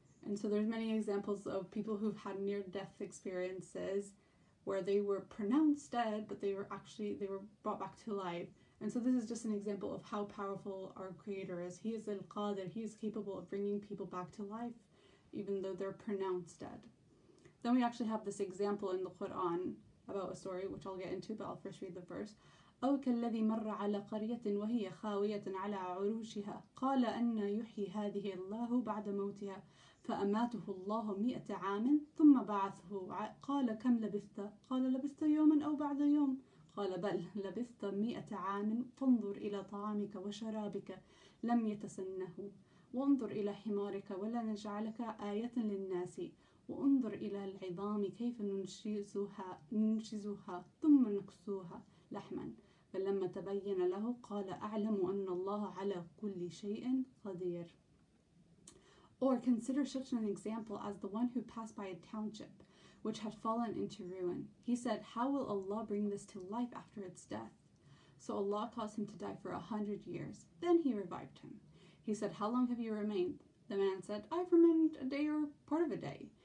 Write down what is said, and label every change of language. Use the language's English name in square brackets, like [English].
[English] And so there's many examples of people who've had near-death experiences where they were pronounced dead, but they were brought back to life. And so this is just an example of how powerful our Creator is. He is Al-Qadir. He is capable of bringing people back to life, even though they're pronounced dead. Then we actually have this example in the Quran about a story, which I'll get into, but I'll first read the verse. [Arabic] أَوْ كَالَّذِي مَرَّ عَلَىٰ قَرْيَةٍ وَهِيَ خَاوِيَةٍ عَلَىٰ عُرُوشِهَا قَالَ أَنَّ يُحْيِي هَذِهِ اللَّهُ بَعْدَ مَوْتِهَا فأماته الله 100 عام ثم بعثه قال كم لبثت قال لبثت يوما أو بعد يوم قال بل لبثت 100 عام فانظر إلى طعامك وشرابك لم يتسنه وانظر إلى حمارك ولنجعلك آية للناس وانظر إلى العظام كيف ننشزها ثم نكسوها لحما فلما تبين له قال أعلم أن الله على كل شيء قدير. [English] Or consider such an example as the one who passed by a township which had fallen into ruin. He said, how will Allah bring this to life after its death? So Allah caused him to die for 100 years. Then he revived him. He said, how long have you remained? The man said, I've remained a day or part of a day.